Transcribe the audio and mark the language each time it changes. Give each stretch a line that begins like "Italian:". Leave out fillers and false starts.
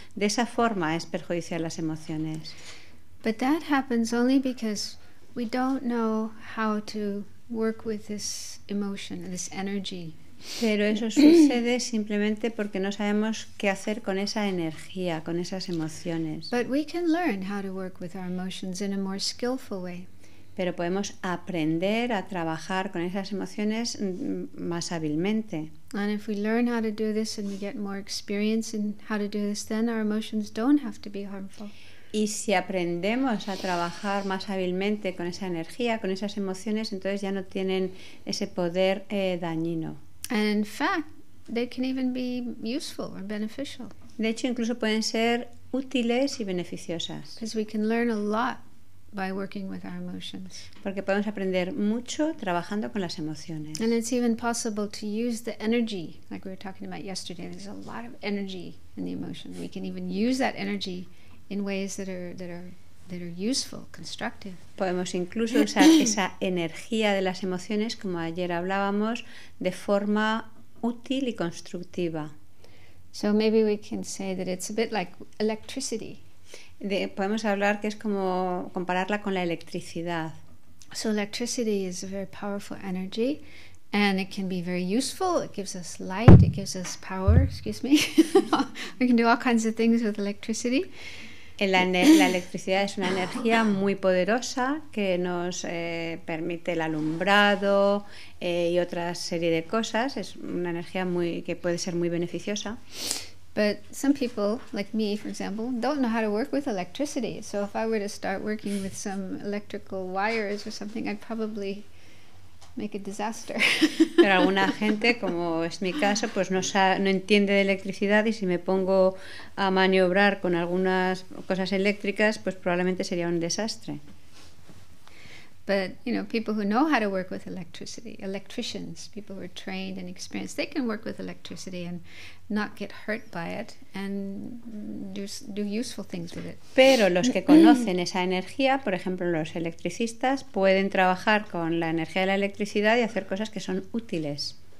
Spanish: De esa forma es perjudiciar las emociones.
English: But that happens only because we don't know how to work with this emotion, this energy.
Spanish: Pero eso sucede simplemente porque no sabemos qué hacer con esa energía, con esas emociones.
English: But we can learn how to work with our emotions in a more skillful way.
Spanish: Pero podemos aprender a trabajar con esas emociones más hábilmente.
English: And if we learn how to do this and we get more experience in how to do this, then our emotions don't have to be harmful.
Spanish: Y si aprendemos a trabajar más hábilmente con esa energía, con esas emociones, entonces ya no tienen ese poder dañino.
English: And in fact, they can even be useful or beneficial.
Spanish: De hecho, incluso pueden ser útiles y beneficiosas.
English: Because we can learn a lot by working with our emotions.
Spanish: Porque podemos aprender mucho trabajando con las emociones.
English: And it's even possible to use the energy, like we were talking about yesterday. There's a lot of energy in the emotion. We can even use that energy in ways that are useful, constructive.
Spanish: Podemos incluso usar esa energía de las emociones, como ayer hablábamos, de forma útil y constructiva.
English: So maybe we can say that it's a bit like electricity.
Spanish: Podemos hablar que es como compararla con la electricidad.
English: So electricity is a very powerful energy. And it can be very useful. It gives us light. It gives us power. Excuse me. We can do all kinds of things with electricity.
Spanish: La electricidad es una energía muy poderosa que nos permite el alumbrado y otra serie de cosas. Es una energía que puede ser muy beneficiosa.
English: But some people, like me, for example, don't know how to work with electricity. So if I were to start working with some electrical wires or something, I'd probably make a disaster.
Spanish: Pero alguna gente, como es mi caso, pues no entiende de electricidad, y si me pongo a maniobrar con algunas cosas eléctricas, pues probablemente sería un desastre.
English: But you know, people who know how to work with electricity, electricians, people who are trained and experienced, they can work with electricity and not get hurt by it and do useful things with it.
Spanish: Pero los que conocen esa energía, por ejemplo, los electricistas, pueden trabajar con la energía de la electricidad y hacer cosas que son útiles.